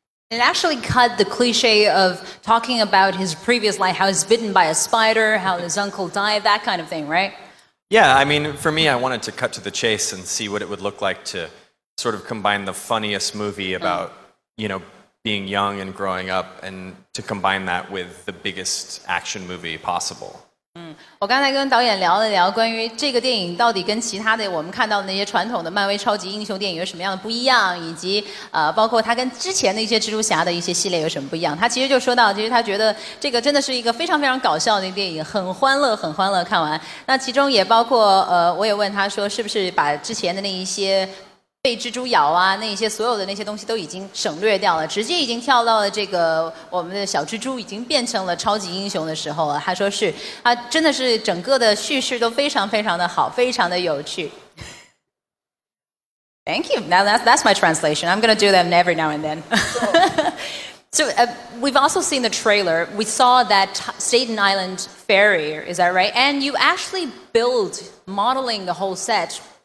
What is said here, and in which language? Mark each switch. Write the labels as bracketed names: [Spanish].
[English] It actually cut the cliche of talking about his previous life, how he's bitten by a spider, how his uncle died, that kind of thing, right? Yeah, I mean, for me, I wanted to cut to the chase and see what it would look like to sort of combine the funniest movie about, you know, being young and growing up, and to combine that with the biggest action movie possible. [Chinese] 我刚才跟导演聊了聊关于这个电影到底跟其他的我们看到的那些传统的漫威超级英雄电影有什么样的不一样，以及包括他跟之前的一些蜘蛛侠的一些系列有什么不一样。他其实就说到，其实他觉得这个真的是一个非常非常搞笑的电影，很欢乐很欢乐看完。那其中也包括我也问他说，是不是把之前的那一些被蜘蛛咬啊，那些所有的那些东西都已经省略掉了，直接已经跳到了这个我们的小蜘蛛已经变成了超级英雄的时候了。他说是啊，真的是整个的叙事都非常非常的好，非常的有趣。 [English] Thank you. Now that's my translation. I'm going to do them every now and then. So we've also seen the trailer. We saw that Staten Island Ferry, is that right? And you actually build modeling the whole set.